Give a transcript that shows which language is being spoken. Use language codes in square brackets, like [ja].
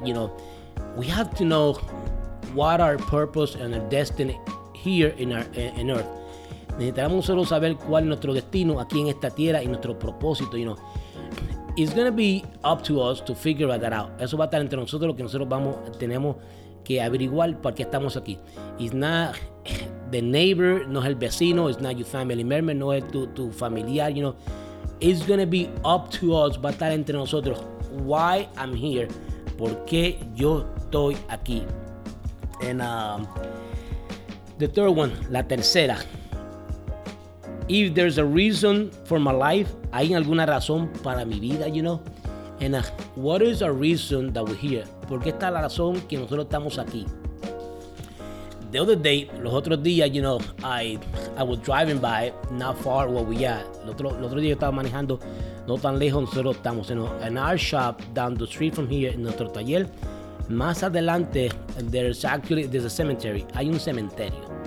[en] You know, we have to know what our purpose and our destiny here in earth. [es] Necesitamos nosotros saber cuál es nuestro destino aquí en esta tierra y nuestro propósito. [en] You know, it's going to be up to us to figure that out. [es] Eso va a estar entre nosotros, lo que nosotros tenemos que averiguar por qué estamos aquí. [en] It's not the neighbor, [es] no es el vecino, [en] it's not your family member, [es] no es tu familiar, [en] you know. It's going to be up to us, [es] va a estar entre nosotros. [en] Why I'm here, [es] por qué yo estoy aquí. [en] And the third one, [es] la tercera. [en] If there's a reason for my life, [es] hay alguna razón para mi vida, [en] you know. And what is the reason that we're here? [es] ¿Por qué está la razón que nosotros estamos aquí? [en] The other day, [es] los otros días, [en] you know, I was driving by not far where we are. [es] El otro día yo estaba manejando no tan lejos nosotros estamos, [en] you know, in our shop down the street from here, [es] en nuestro taller. Más adelante, [en] there's a cemetery. [es] Hay un cementerio.